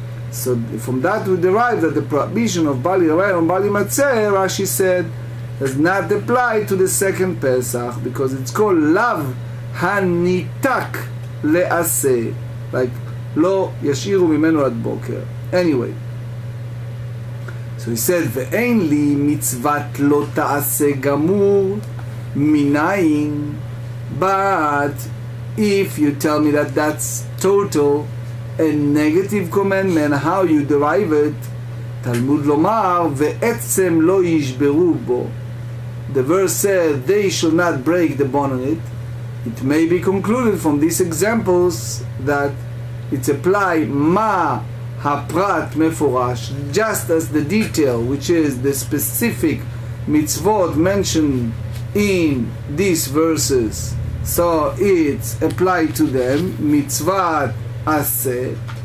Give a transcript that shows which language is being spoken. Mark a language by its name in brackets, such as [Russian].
[English] So from that we derive that the prohibition of Bal Yireh and Bal Yimatzeh, Rashi said, does not apply to the second Pesach, because it's called [Hebrew] lav hanitak le'aseh, [English] like [Hebrew] lo yashiru mimenu ad boker. [English] Anyway, so he said, [Hebrew] ואין לי מצוות לא תעשה גמור מניין. [English] But if you tell me that that's total a negative commandment, how you derive it? [Hebrew] תלמוד לומר, ועצם לא ישברו בו. [English] The verse said, they shall not break the bone on it. It may be concluded from these examples that it's applied [Hebrew] ma הפרט מפורש, [English] just as the detail, which is the specific mitzvot mentioned in these verses, so it's applied to them, mitzvot aseh,